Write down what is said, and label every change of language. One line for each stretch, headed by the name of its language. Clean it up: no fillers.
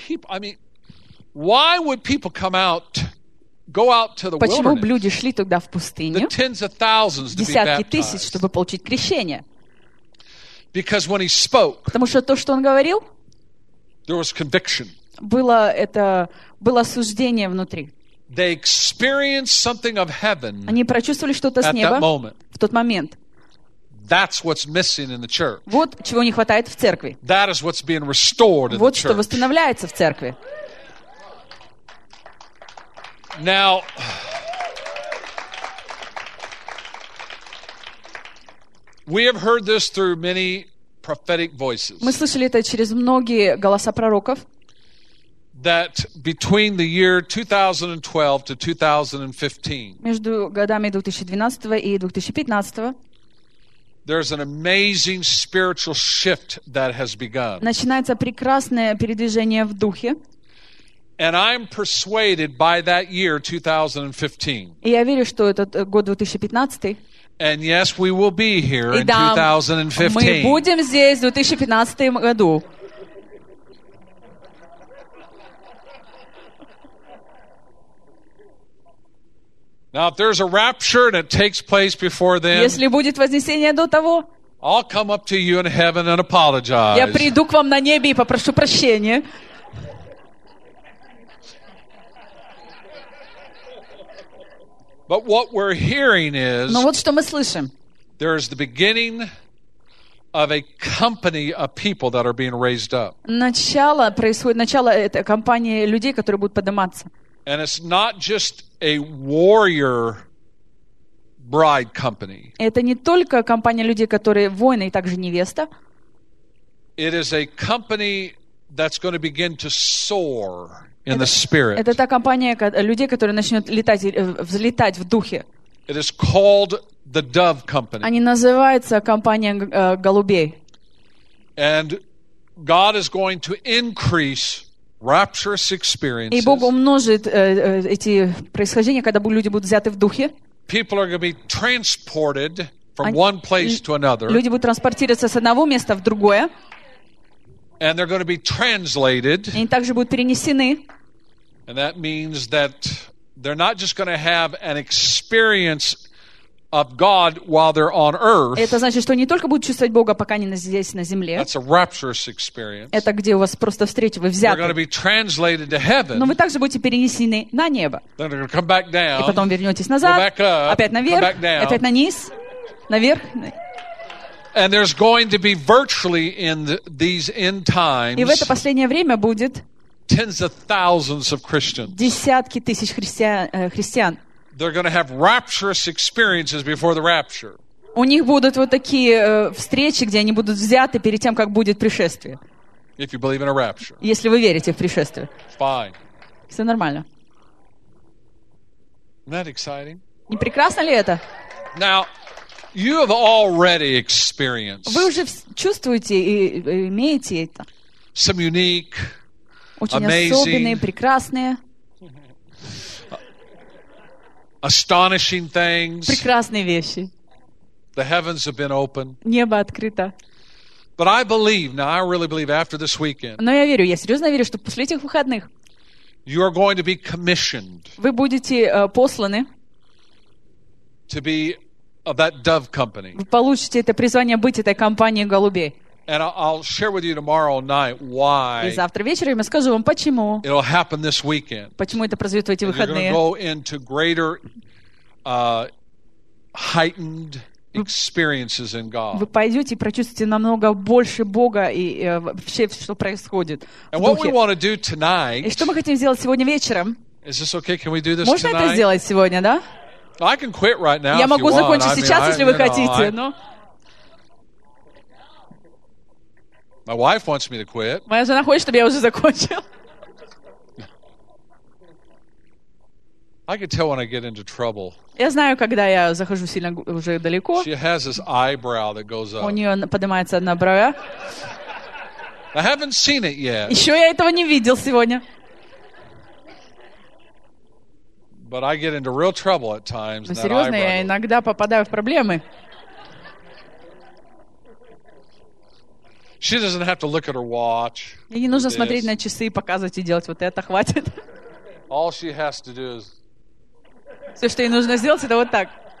English: Why would people come out, go out to the
Russian: Почему
English: wilderness?
Russian: Люди шли тогда в пустыню?
English: The tens of thousands to be baptized.
Russian: Десятки тысяч, чтобы получить крещение.
English: Because when he spoke,
Russian: потому что то, что он говорил,
English: there was conviction.
Russian: Было это, было осуждение внутри.
English: They experienced something of heaven.
Russian: Они прочувствовали что-то с неба в тот момент.
English: That's what's missing in the church.
Russian: Вот чего не хватает в церкви.
English: That is what's being restored in
Russian: вот
English: the
Russian: что
English: church.
Russian: Восстанавливается в церкви.
English: Now, we have heard this through many prophetic voices.
Russian: Мы слышали это через многие голоса пророков.
English: That between the year 2012 to 2015.
Russian: Между годами 2012 и 2015.
English: There's an amazing spiritual shift that has begun.
Russian: Начинается прекрасное передвижение в духе.
English: And I'm persuaded by that year 2015.
Russian: И я верю, что этот год 2015.
English: And yes, we will be here in 2015.
Russian: Мы будем здесь в 2015 году.
English: Now, if there's a rapture and it takes place before then,
Russian: если будет вознесение до того,
English: I'll come up to you in heaven and apologize.
Russian: Я приду к вам на небе и попрошу прощения.
English: But what we're hearing is,
Russian: но вот что мы слышим.
English: There is the beginning of a company of people that are being raised up.
Russian: Начало происходит, начало это компании людей, которые будут подниматься.
English: And it's not just a warrior bride company.
Russian: Это не только компания людей, которые воины, и также невеста.
English: It is a company that's going to begin to soar in the spirit.
Russian: Это та компания людей, которые начнут взлетать в духе.
English: It is called the dove company.
Russian: Они называются компания голубей.
English: And God is going to increase rapturous experiences.
Russian: И Бог умножит эти происхождения, когда люди будут взяты в духе.
English: People are going to be transported from one place to another.
Russian: Люди будут транспортироваться с одного места в другое.
English: And they're going to be translated.
Russian: Они также будут перенесены.
English: And that means that they're not just going to have an experience of God while they're on earth.
Russian: Это значит, что не только будут чувствовать Бога, пока они здесь на земле.
English: That's a rapturous experience.
Russian: Это где у вас просто встреча, вы взяты.
English: They're going to be translated to heaven.
Russian: Но вы также будете перенесены на небо.
English: Then they're going to come back down.
Russian: И потом вернетесь назад.
English: Go back up,
Russian: опять наверх.
English: Come back down.
Russian: Опять на низ. Наверх.
English: And there's going to be virtually in these end times.
Russian: И в это последнее время будет
English: tens of thousands of Christians.
Russian: Десятки тысяч христиан.
English: They're going to have rapturous experiences before the rapture.
Russian: У них будут вот такие встречи, где они будут взяты перед тем, как будет пришествие.
English: If you believe in a rapture.
Russian: Если вы верите в пришествие.
English: Fine.
Russian: Все нормально.
English: Isn't that exciting?
Russian: Не прекрасно ли это?
English: Now, you have already experienced.
Russian: Вы уже чувствуете и имеете это.
English: Some unique,
Russian: очень
English: amazing,
Russian: особенные, прекрасные.
English: Astonishing things.
Russian: Прекрасные вещи.
English: The heavens have been open.
Russian: Небо открыто.
English: But I believe, now I really believe after this weekend.
Russian: Но я верю, я серьезно верю, что после этих выходных.
English: You are going to be commissioned.
Russian: Вы будете посланы.
English: To be of that dove company.
Russian: Вы получите это призвание быть этой компанией голубей.
English: And I'll share with you tomorrow night why.
Russian: И завтра вечером я скажу вам почему.
English: It'll happen this weekend.
Russian: Почему это произойдет в эти выходные?
English: You're going to go into greater heightened experiences in God.
Russian: Вы пойдете и прочувствуете намного больше Бога и вообще все, что происходит.
English: And what we want to do tonight?
Russian: И что мы хотим сделать сегодня вечером?
English: Is this okay? Can we do this tonight?
Russian: Можно это сделать сегодня, да?
English: I can quit right now.
Russian: Я могу закончить сейчас, если вы хотите, но.
English: My wife wants me to quit.
Russian: Моя жена хочет, чтобы я уже закончил.
English: I can tell when I get into trouble.
Russian: Я знаю, когда я захожу сильно уже далеко.
English: She has this eyebrow that goes up.
Russian: У нее поднимается одна бровь.
English: I haven't seen it yet.
Russian: Еще я этого не видел сегодня.
English: But I get into real trouble at times.
Russian: Но серьезно, я иногда попадаю в проблемы.
English: She doesn't have to look at her watch.
Russian: Ей не нужно смотреть на часы и показывать и делать вот это хватит.
English: All she has to do is.
Russian: Все, что ей нужно сделать, это вот так.